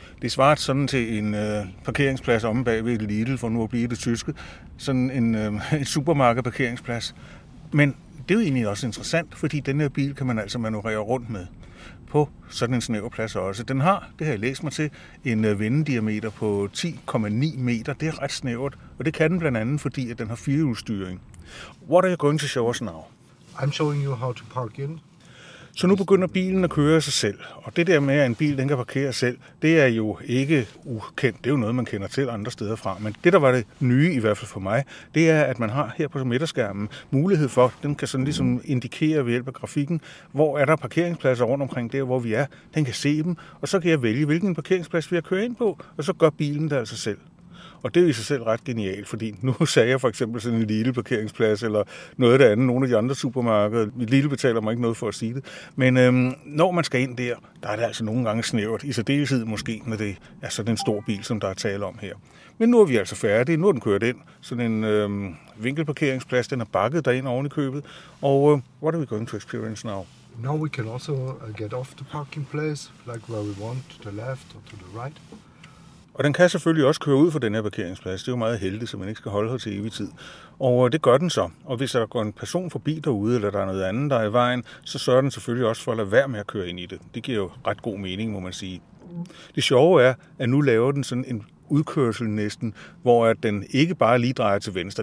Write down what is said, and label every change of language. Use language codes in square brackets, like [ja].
[da] Det svarer sådan til en parkeringsplads omme bag ved Lidl, for nu at blive det tyske, sådan en supermarkedparkeringsplads. Men det er jo egentlig også interessant, fordi den her bil kan man altså manøvrere rundt med på sådan en snæver plads også. Den har, det har jeg læst mig til, en vendediameter på 10,9 meter. Det er ret snævert, og det kan den blandt andet, fordi at den har firehjulsstyring. [en] What are you going to show us now? I'm showing you how to park in. [da] Så nu begynder bilen at køre sig selv, og det der med, at en bil den kan parkere selv, det er jo ikke ukendt. Det er jo noget, man kender til andre steder fra, men det, der var det nye i hvert fald for mig, det er, at man har her på midterskærmen mulighed for, den kan sådan ligesom indikere ved hjælp af grafikken, hvor er der parkeringspladser rundt omkring der, hvor vi er. Den kan se dem, og så kan jeg vælge, hvilken parkeringsplads vi har kørt ind på, og så gør bilen det altså selv. Og det er i sig selv ret genialt, fordi nu sagde jeg for eksempel sådan en lille parkeringsplads eller noget af det andet, nogle af de andre supermarkeder. Mit lille betaler mig ikke noget for at sige det. Men når man skal ind der, der er det altså nogle gange snævert, i særdeleshed måske, når det er sådan en stor bil, som der er tale om her. Men nu er vi altså færdige. Nu er den kørt ind. Sådan en vinkelparkeringsplads, den er bakket derind oven i købet. [en] Og what are we going to experience now? Now we can also get off the parking place, like where we want, to the left or to the right. [da] Og den kan selvfølgelig også køre ud fra den her parkeringsplads. Det er jo meget heldigt, så man ikke skal holde her til evig tid. Og det gør den så. Og hvis der går en person forbi derude, eller der er noget andet, der er i vejen, så sørger den selvfølgelig også for at lade være med at køre ind i det. Det giver jo ret god mening, må man sige. Det sjove er, at nu laver den sådan en udkørsel næsten, hvor at den ikke bare lige drejer til venstre.